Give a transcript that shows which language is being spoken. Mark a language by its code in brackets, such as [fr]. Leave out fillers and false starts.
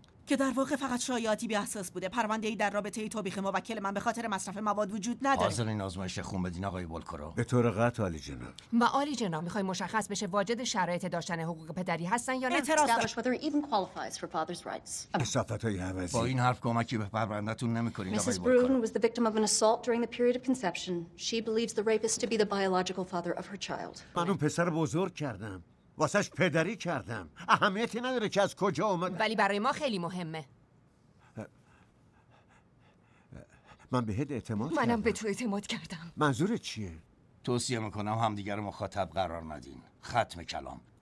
[fa] که در واقع فقط شایعاتی بی اساس بوده. پرونده‌ای در رابطه ای توبیخ موکل من به خاطر مصرف مواد وجود نداره. حاضر این آزمایش خون بدین آقای ولکرو؟ به طور قطع عالی جناب. و عالی جناب، میخوای مشخص بشه واجد شرایط داشتن حقوق پدری هستن یا نه؟ اعتراض داشت. با این حرف کمکی به پرونده‌تون نمی‌کنین آقای ولکرو. [en] Mrs. Brune was the victim of an assault during the period of conception. She believes the rapist to be the biological father of her child. [fa] من اون پسر بزرگ کردم، واسهش پدری کردم، اهمیتی نداره که از کجا اومد. ولی برای ما خیلی مهمه. من بهت اعتماد کردم. منم به تو اعتماد کردم. منظورت چیه؟ توصیه میکنم همدیگر مخاطب قرار ندین. ختم کلام.